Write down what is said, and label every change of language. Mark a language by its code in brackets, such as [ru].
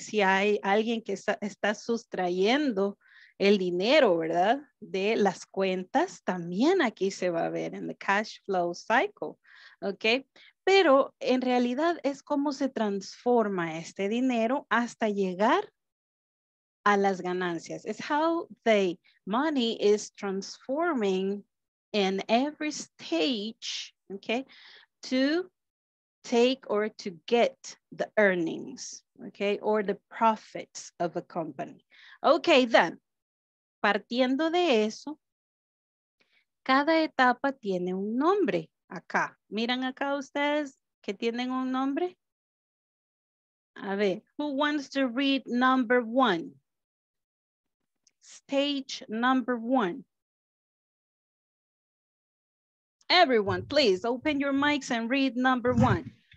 [es] Si hay alguien que está sustrayendo el dinero, ¿verdad? De las cuentas, también aquí se va a ver en [en] the cash flow cycle, [es] ¿ok? Pero en realidad es cómo se transforma este dinero hasta llegar a las ganancias. [en] It's how the money is transforming in every stage, okay, to take or to get the earnings, okay, or the profits of a company. Okay, then, [es] partiendo de eso, cada etapa tiene un nombre. Acá, miran acá ustedes que tienen un nombre. A ver, [en] who wants to read number one? Stage number one. Everyone, please open your mics and read number one.